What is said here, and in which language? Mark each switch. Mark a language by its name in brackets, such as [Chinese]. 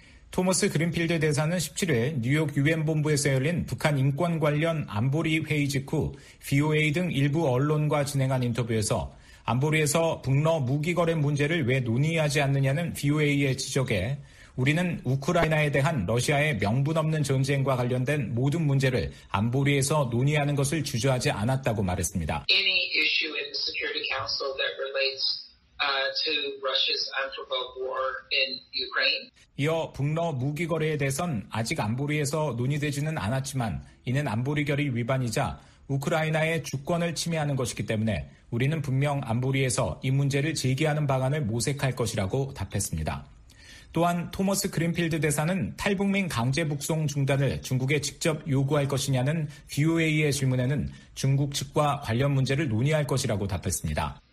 [Korean] 토머스 그린필드 대사는 17일 뉴욕 유엔 본부에서 열린 북한 인권 관련 안보리 회의 직후 VOA 등 일부 언론과 진행한 인터뷰에서 안보리에서 북러 무기 거래 문제를 왜 논의하지 않느냐는 VOA의 지적에 우리는 우크라이나에 대한 러시아의 명분 없는 전쟁과 관련된 모든 문제를 안보리에서 논의하는 것을 주저하지 않았다고 말했습니다. [English] Any issue in the Security Council that relates to Russia's unprovoked war in Ukraine. [Korean] 이어 북러 무기 거래에 대해선 아직 안보리에서 논의되지는 않았지만 이는 안보리 결의 위반이자 우크라이나의 주권을 침해하는 것이기 때문에 우리는 분명 안보리에서 이 문제를 제기하는 방안을 모색할 것이라고 답했습니다. 또한 토머스 그린필드 대사는 탈북민 강제 북송 중단을 중국에 직접 요구할 것이냐는 VOA의 질문에는 중국 측과 관련 문제를 논의할 것이라고 답했습니다.